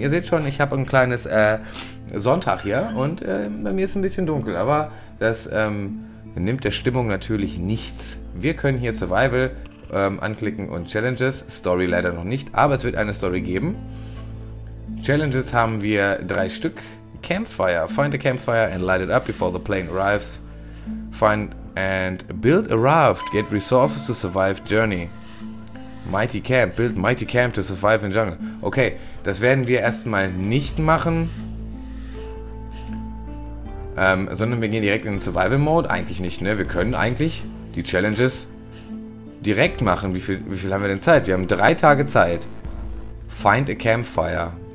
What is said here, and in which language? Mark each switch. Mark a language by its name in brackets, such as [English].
[German] Ihr seht schon, ich habe ein kleines Sonntag hier und bei mir ist ein bisschen dunkel, aber das nimmt der Stimmung natürlich nichts. Wir können hier Survival anklicken und Challenges. Story leider noch nicht, aber es wird eine Story geben. Challenges haben wir 3 Stück. [English] Campfire. Find a campfire and light it up before the plane arrives. Find and build a raft. Get resources to survive journey. Mighty camp. Build mighty camp to survive in jungle. [German] Okay, das werden wir erstmal nicht machen. Sondern wir gehen direkt in den Survival-Mode. Eigentlich nicht, ne? Wir können eigentlich die Challenges direkt machen. Wie viel haben wir denn Zeit? Wir haben 3 Tage Zeit. [English] Find a campfire.